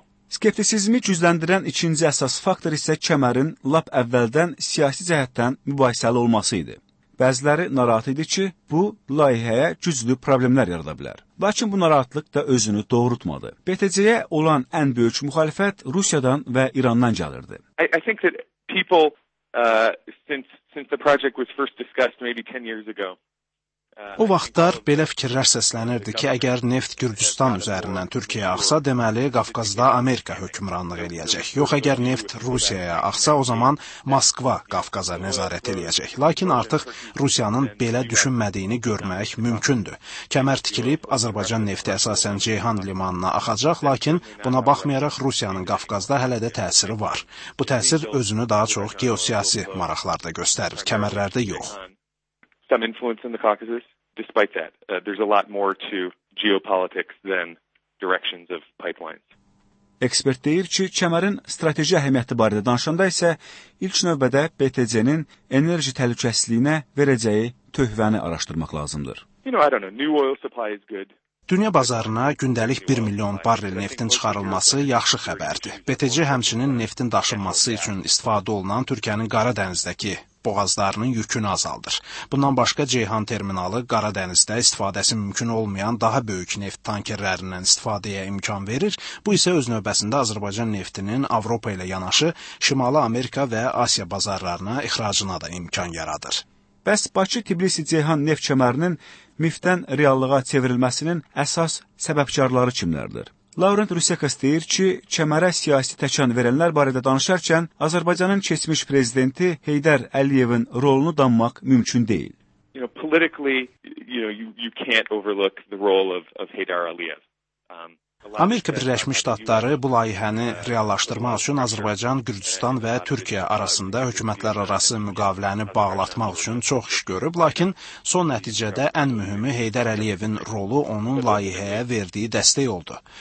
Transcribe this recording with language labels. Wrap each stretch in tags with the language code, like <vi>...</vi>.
<az>Skeptisizmi cüzləndirən ikinci əsas faktor isə kəmərin lap əvvəldən siyasi cəhətdən mübahisəli olması idi. Bəziləri narahat idi ki, bu layihəyə güclü problemlər yarada bilər. Lakin bu narahatlıq da özünü doğrultmadı. BTC-yə olan ən böyük müxalifət Rusiyadan və İrandan gəlirdi.</az> <en>I think that people since the project was first discussed maybe 10 years ago.</en> <az>O vaxtlar belə fikirlər səslənirdi ki, əgər neft Gürcüstan üzərindən Türkiyəyə axsa, deməli, Qafqazda Amerika hökmranlıq eləyəcək. Yox, əgər neft Rusiyaya axsa, o zaman Moskva Qafqaza nəzarət eləyəcək. Lakin artıq Rusiyanın belə düşünmədiyini görmək mümkündür. Kəmər tikilib, Azərbaycan nefti əsasən Ceyhan limanına axacaq, lakin buna baxmayaraq Rusiyanın Qafqazda hələ də təsiri var. Bu təsir özünü daha çox geosiyasi maraqlarda göstərir, kəmərlərdə yox.</az> <en>Some influence in the Caucasus, despite that. There's a lot more to geopolitics than directions of pipelines.</en> <az>Ekspert deyir ki, kəmərin strateji əhəmiyyəti barədə danışanda isə ilk növbədə BTC-nin enerji təhlükəsizliyinə verəcəyi töhvəni araşdırmaq lazımdır.</az> <en>You know, I don't know. New oil supply is good.</en> <az>Dünya bazarına gündəlik 1 milyon barrel neftin çıxarılması yaxşı xəbərdir. BTC həmçinin neftin daşınması üçün istifadə olunan Türkiyənin Qara dənizdəki boğazlarının yükünü azaldır. Bundan başqa Ceyhan terminalı Qara dənizdə istifadəsi mümkün olmayan daha böyük neft tankerlərindən istifadəyə imkan verir. Bu isə öz növbəsində Azərbaycan neftinin Avropa ilə yanaşı Şimali Amerika və Asiya bazarlarına ixracına da imkan yaradır. Bəs Bakı-Tbilisi-Ceyhan neft kəmərinin mifdən reallığa çevrilməsinin əsas səbəbkarları kimlərdir? Laurent Rusekas deyir ki, kəmərə siyasi təkan verənlər barədə danışarkən Azərbaycanın keçmiş prezidenti Heydər Əliyevin rolunu danmaq mümkün deyil.</az> <en>You know, politically, you know, you can't overlook the role of Heydər Əliyev.</en> <az>Amerika Birləşmiş Ştatları bu layihəni reallaşdırmaq üçün Azərbaycan, Gürcüstan və Türkiyə arasında hökumətlər arası müqaviləni bağlatmaq üçün çox iş görüb, lakin son nəticədə ən mühümü Heydər Əliyevin rolu onun layihəyə verdiyi dəstək oldu.</az>